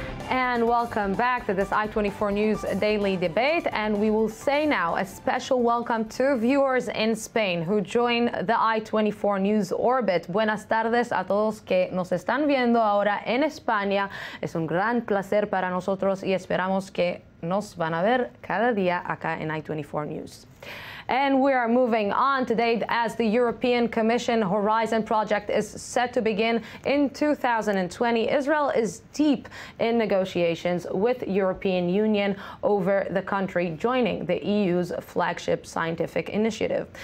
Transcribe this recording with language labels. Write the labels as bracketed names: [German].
[English] and welcome back to this I-24 News Daily Debate. And we will say now a special welcome to viewers in Spain who join the I-24 News Orbit. [Spanish] Buenas tardes a todos que nos están viendo ahora en España. Es un gran placer para nosotros y esperamos que nos van a ver cada día acá en I-24 News. [English] And we are moving on today as the European Commission Horizon project is set to begin in 2020. Israel is deep in negotiations with European Union over the country joining the EU's flagship scientific initiative.